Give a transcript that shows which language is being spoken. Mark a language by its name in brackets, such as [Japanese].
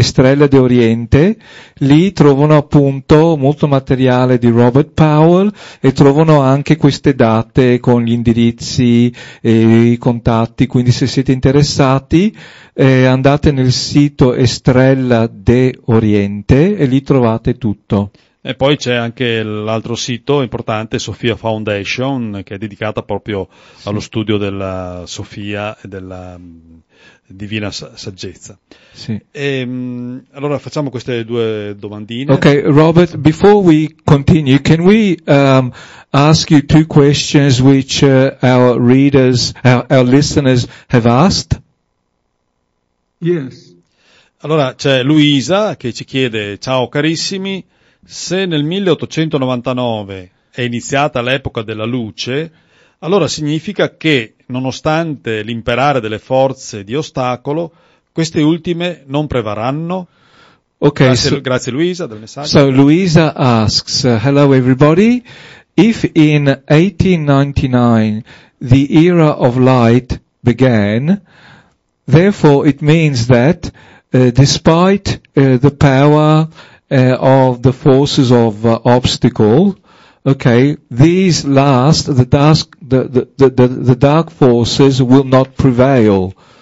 [Italian] Estrella de Oriente, lì trovano appunto molto materiale di Robert Powell e trovano anche queste date con gli indirizzi e i contatti, quindi se siete interessati andate nel sito Estrella de Oriente e lì trovate tutto. E poi c'è anche l'altro sito importante, Sophia Foundation, che è dedicata proprio allo studio della Sofia e della Divina Saggezza. Sì. E, allora facciamo queste due domandine. [English] Okay, Robert, before we continue, can we ask you two questions which our listeners have asked? Yes. [Italian] Allora c'è Luisa che ci chiede: ciao carissimi, se nel 1899 è iniziata l'epoca della luce, allora significa che, nonostante l'imperare delle forze di ostacolo, queste ultime non prevarranno? [English] Okay, [Italian] grazie Luisa del messaggio. [English] So Luisa asks, hello everybody, if in 1899 the era of light began, therefore it means that despite the power of the forces of obstacle, okay, these last, the dark forces will not prevail.